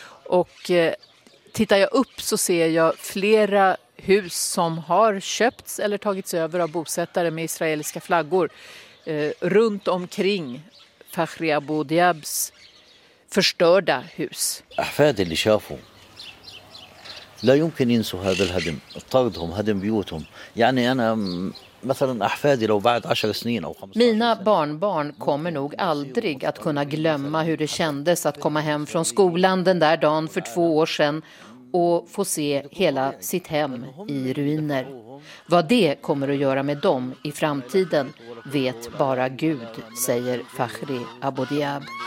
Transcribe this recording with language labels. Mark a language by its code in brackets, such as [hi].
[sv] Och tittar jag upp så ser jag flera hus som har köpts eller tagits över av bosättare med israeliska flaggor. Runt omkring Fakhri Abu Diabs förstörda hus. Affärer ni köper. [ar] لا يمكن ينسوا هذا الهدم طردهم هدم بيوتهم يعني انا مثلا احفادي لو بعد 10 سنين او 15 [sv] mina barnbarn kommer nog aldrig att kunna glömma hur det kändes att komma hem från skolan den där dagen för 2 år sedan och få se hela sitt hem i ruiner. Vad det kommer att göra med dem i framtiden vet bara Gud, säger Fakhri Abu Diab.